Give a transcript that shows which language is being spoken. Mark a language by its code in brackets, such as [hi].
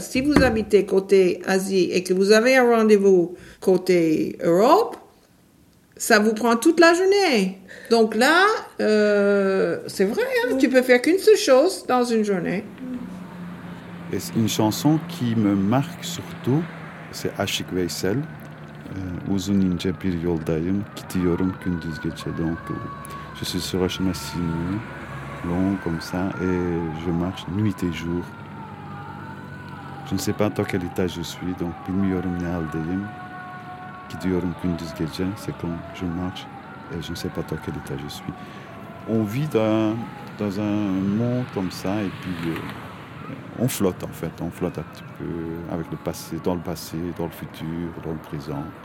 [fr] Si vous habitez côté Asie et que vous avez un rendez-vous côté Europe, ça vous prend toute la journée. Donc là, c'est vrai, hein, tu peux faire qu'une seule chose dans une journée. Et c'est une chanson qui me marque surtout, c'est Aşık Veysel. [tr] Uzun ince bir yoldayım, gidiyorum gündüz geçe. [fr] Donc, je suis sur un chemin sinueux, long comme ça, et je marche nuit et jour. Je ne sais pas dans quel état je suis, donc, [tr] bilmiyorum ne haldeyim, gidiyorum gündüz geçe. [fr] C'est quand je marche et je ne sais pas dans quel état je suis. On vit dans un monde comme ça, et puis on flotte en fait, on flotte un petit peu avec le passé, dans le futur, dans le présent.